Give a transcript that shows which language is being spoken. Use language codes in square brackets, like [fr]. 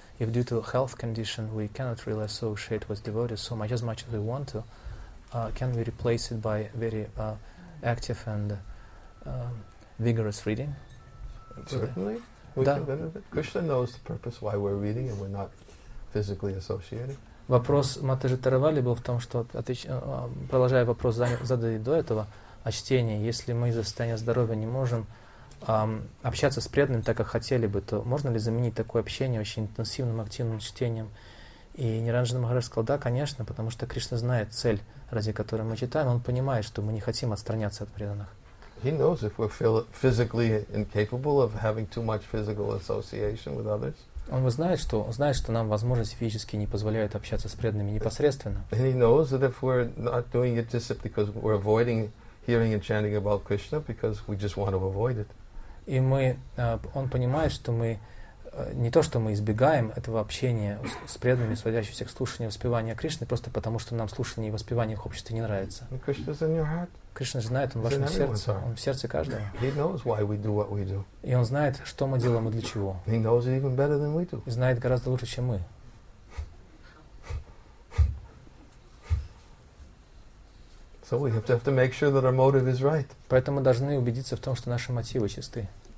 [en] if due to health condition we cannot really associate with devotees so much as much as we want to, can we replace it by very active and vigorous reading? Certainly. We can benefit. Krishna knows the purpose why we're reading and we're not physically associated. [ru] Вопрос Матаджи Таравали был в том, что, продолжая вопрос, заданный до этого, о чтении, если мы из-за состояния здоровья не можем общаться с преданными так, как хотели бы, то можно ли заменить такое общение очень интенсивным, активным чтением? И Ниранджана Махарадж сказал, да, конечно, потому что Кришна знает цель, ради которой мы читаем, он понимает, что мы не хотим отстраняться от преданных. [en] He knows if we're physically incapable of having too much physical association with others. [ru] Он знает, что нам возможность физически не позволяет общаться с преданными непосредственно. [en] And he knows that if we're not doing it just because we're avoiding hearing and chanting about Krishna because we just want to avoid it. [ru] И мы, он понимает, что мы не то, что мы избегаем этого общения с преданными, сводящегося к слушанию и воспеванию Кришны, просто потому, что нам слушание и воспевание в обществе не нравится. Кришна же знает, он в вашем сердце, он в сердце каждого. [en] He knows why we do what we do. [ru] И он знает, что мы делаем и для чего. [en] He knows it even better than we do. [ru] И знает гораздо лучше, чем мы. [en] So we have to make sure that our motive is right. [ru] Поэтому мы должны убедиться в том, что наши мотивы чисты.